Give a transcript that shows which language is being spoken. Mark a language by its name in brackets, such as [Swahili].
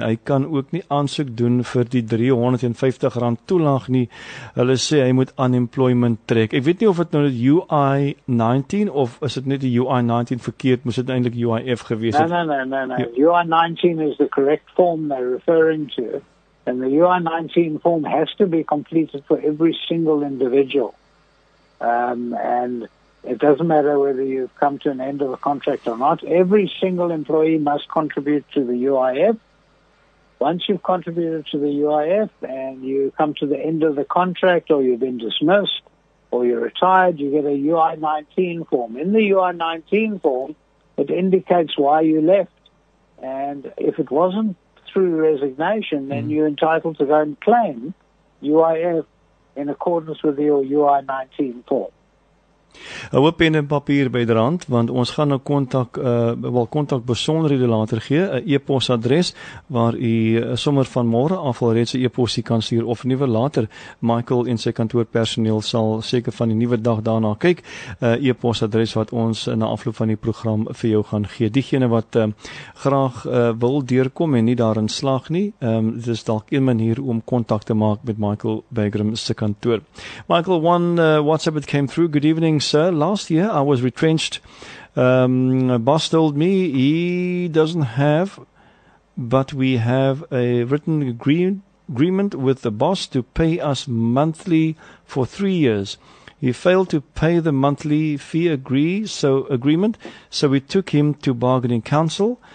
[Afrikaans] Hy kan ook nie aansoek doen vir die R350 toelaag nie, hulle sê hy moet unemployment trek. Ek weet nie of het nou UI-19, of is het net die UI-19 verkeerd, moes het eindelijk UIF gewees het? [English] No. UI-19 is the correct form they're referring to, and the UI-19 form has to be completed for every single individual. And it doesn't matter whether you've come to an end of a contract or not. Every single employee must contribute to the UIF. Once you've contributed to the UIF and you come to the end of the contract or you've been dismissed or you're retired, you get a UI-19 form. In the UI-19 form, it indicates why you left. And if it wasn't through resignation, then you're entitled to go and claim UIF in accordance with your UI-19 form. [Afrikaans] Hou op pen en papier by die rand, want ons gaan nou kontak besonderhede later gee, 'n e-pos adres, waar u sommer van môre af al reeds 'n e-posie kan stuur, of nuwe later, Michael en sy kantoorpersoneel sal seker van die nuwe dag daarna kyk, 'n e-pos adres wat ons na afloop van die program vir jou gaan gee, diegene wat graag wil deurkom en nie daarin slaag nie, dit is dalk een manier om kontak te maak met Michael Bagraim se kantoor. [English] Michael, one WhatsApp it came through, good evening sir, last year I was retrenched. Boss told me he doesn't have, but we have a written agreement with the boss to pay us monthly for 3 years. He failed to pay the monthly fee agreement, so we took him to bargaining council.